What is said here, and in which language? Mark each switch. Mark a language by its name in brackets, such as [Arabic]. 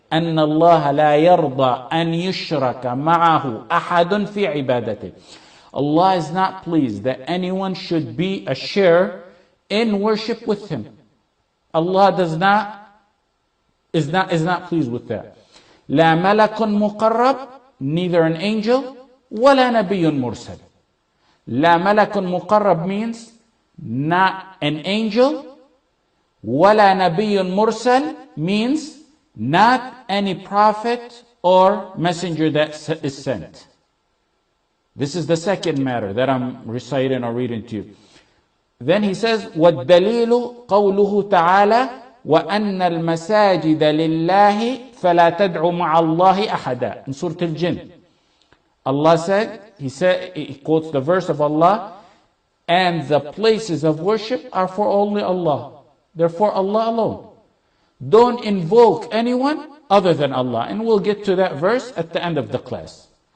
[Arabic] Anna Allah la yarda an yushraka ma'ahu ahadun fi ibadatih. [English] Allah is not pleased that anyone should be a share in worship with him. Allah is not pleased with that. [Arabic] لا ملك مقرب, [English] neither an angel, [Arabic] ولا نبي مرسل. لا ملك مقرب [English] means not an angel, [Arabic] ولا نبي مرسل [English] means not any prophet or messenger that is sent. This is the second matter that I'm reciting or reading to you. Then he says, [Arabic] والدليل قوله تعالى وأن المساجد لله فلا تدعوا مع الله أحدا. [English] In Surah Al-Jin, Allah said, he quotes the verse of Allah, and the places of worship are for only Allah, therefore Allah alone. Don't invoke anyone other than Allah. And we'll get to that verse at the end of the class.